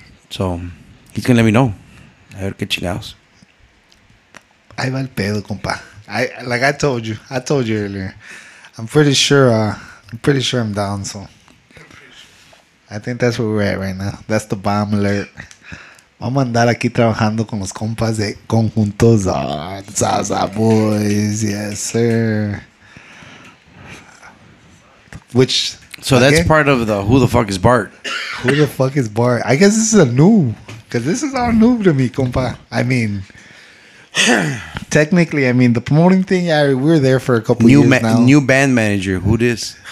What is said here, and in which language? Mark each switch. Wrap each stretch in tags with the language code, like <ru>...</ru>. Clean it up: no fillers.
<en>So he's going to let me know.</en> <es>A ver qué chingados. Ahí va el pedo, compa.</es> <en>I told you earlier. I'm pretty sure I'm down, so. I think that's where we're at right now. That's the bomb alert.</en> <es>Vamos a andar aquí trabajando con los compas de Conjunto Zaza Boys.</es> <en>Yes, sir. Which... So okay. That's part of the Who the Fuck is Bart? Who the Fuck is Bart? I guess this is a new... Because this is all new to me, compa. I mean... Technically, I mean, the promoting thing, yeah, we were there for a couple years now. New band manager, who this?</en>